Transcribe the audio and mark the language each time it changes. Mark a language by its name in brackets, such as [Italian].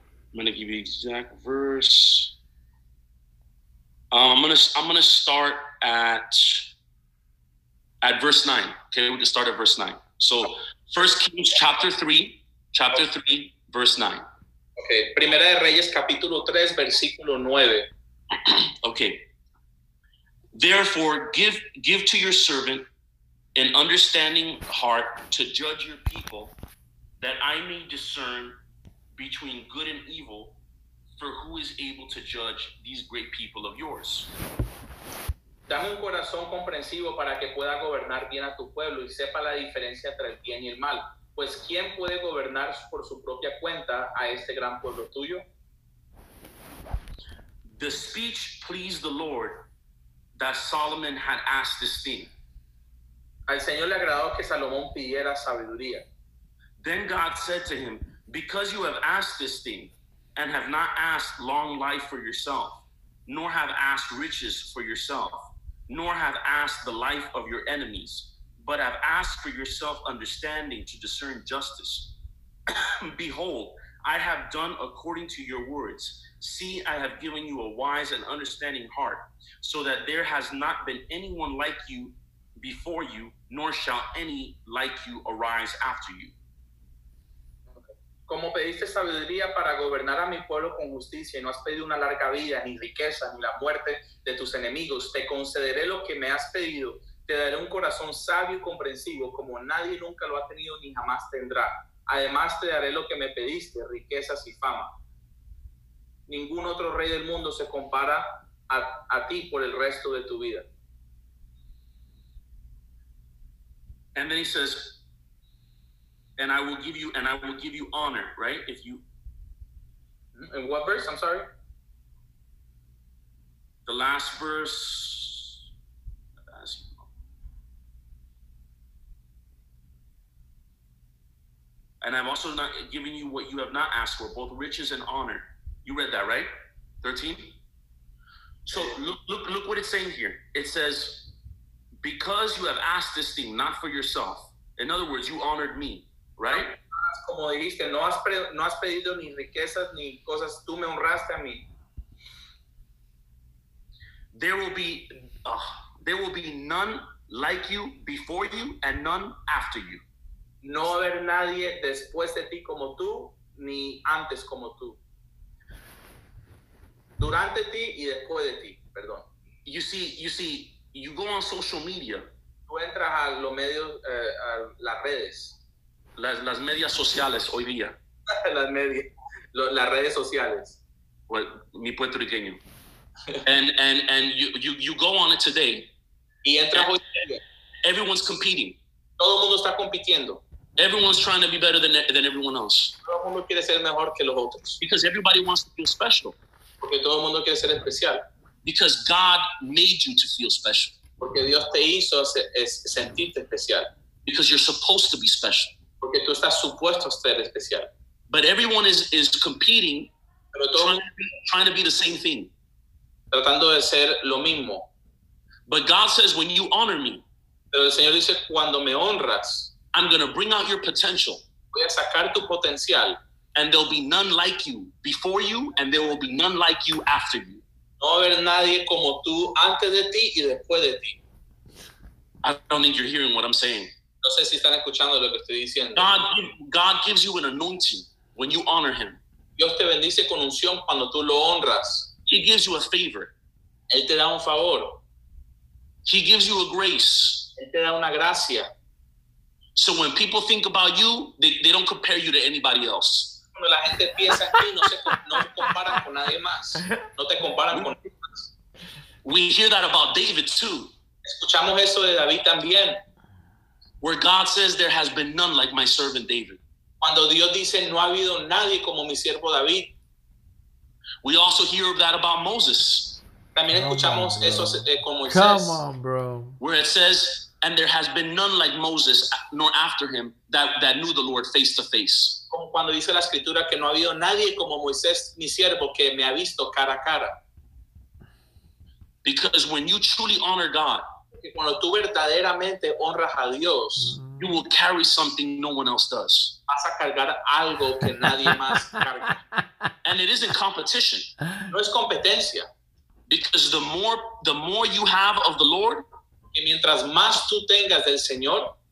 [English] I'm going to give you the exact verse. I'm going to start at verse 9. Okay, we're going to start at verse 9. So, 1 Kings chapter 3, verse 9. [Spanish] Okay, Primera de Reyes, capítulo 3, versículo 9. Okay. [English] Therefore, give to your servant an understanding heart to judge your people, that I may discern between good and evil, for who is able to judge these great people of yours? [Spanish] Dame un corazón comprensivo para que pueda gobernar bien a tu pueblo y sepa la diferencia entre el bien y el mal. Pues, ¿quién puede gobernar por su propia cuenta a este gran pueblo tuyo? [English] The speech pleased the Lord that Solomon had asked this thing. [Spanish] Al Señor le agradó que Salomón pidiera sabiduría. [English] Then God said to him, because you have asked this thing and have not asked long life for yourself, nor have asked riches for yourself, nor have asked the life of your enemies, but have asked for yourself understanding to discern justice. Behold, I have done according to your words. See, I have given you a wise and understanding heart, so that there has not been anyone like you before you, nor shall any like you arise after you. [Spanish] Como pediste sabiduría para gobernar a mi pueblo con justicia, y no has pedido una larga vida, ni riqueza, ni la muerte de tus enemigos, te concederé lo que me has pedido. Te daré un corazón sabio y comprensivo, como nadie nunca lo ha tenido ni jamás tendrá. Además, te daré lo que me pediste, riquezas y fama. Ningún otro rey del mundo se compara a ti por el resto de tu vida. [English] And then he says, and I will give you, and I will give you honor, right? If you... In what verse? I'm sorry. The last verse... And I'm also not giving you what you have not asked for, both riches and honor. You read that, right? 13? So look what it's saying here. It says, because you have asked this thing, not for yourself. In other words, you honored me, right? [Spanish] Como dijiste, no has pedido ni riquezas ni cosas, tú me honraste a mí. [English] There will be none like you before you and none after you. [Spanish] No va a haber nadie después de ti como tú, ni antes como tú. Durante ti y después de ti, perdón. [English] You see, you go on social media. [Spanish] Tú entras a los medios, a las redes. Las medias sociales hoy día. las redes sociales. Well, mi puertorriqueño. [English] And you go on it today. [Spanish] Y entras hoy día. [English] Everyone's competing. [Spanish] Todo el mundo está compitiendo. [English] Everyone's trying to be better than everyone else. [Spanish] Todo el mundo quiere ser mejor que los otros. [English] Because everybody wants to feel special. [Spanish] Porque todo el mundo quiere ser especial. [English] Because God made you to feel special. [Spanish] Porque Dios te hizo sentirte especial. [English] Because you're supposed to be special. [Spanish] Porque tú estás supuesto a ser especial. [English] But everyone is competing, [Spanish] pero todo [English] trying to be the same thing. [Spanish] Tratando de ser lo mismo. [English] But God says, when you honor me, [Spanish] pero el Señor dice, cuando me honras, [English] I'm going to bring out your potential. [Spanish] Voy a sacar tu potencial. [English] And there'll be none like you before you, and there will be none like you after you. [Spanish] No va a haber nadie como tú antes de ti y después de ti. [English] I don't think you're hearing what I'm saying. [Spanish] No sé si están escuchando lo que estoy diciendo. [English] God gives you an anointing when you honor him. [Spanish] Dios te bendice con unción cuando tú lo honras. [English] He gives you a favor. [Spanish] Él te da un favor. [English] He gives you a grace. [Spanish] Él te da una gracia. [English] So when people think about you, they don't compare you to anybody else. [Spanish] Cuando la gente piensa en ti, no te comparan con nadie más. No te comparan con nadie más. [English] We hear that about David too. [Spanish] Escuchamos eso de David también. [English] Where God says, there has been none like my servant David. [Spanish] Cuando Dios dice, no ha habido nadie como mi siervo David. [English] We also hear that about Moses. [Spanish] También escuchamos eso con Moisés. [English] Come on, bro. Where it says, and there has been none like Moses, nor after him, that knew the Lord face to face. [Spanish] Como cuando dice la escritura que no ha habido nadie como Moisés, mi siervo, que me ha visto cara a cara. [English] Because when you truly honor God, [Spanish] que cuando tú verdaderamente honras a Dios, [English] you will carry something no one else does. [Spanish] Vas a cargar algo que nadie más carga. [English] And it isn't competition. [Spanish] No es competencia. [English] Because the more you have of the Lord, [Spanish] que mientras más tú tengas del Señor,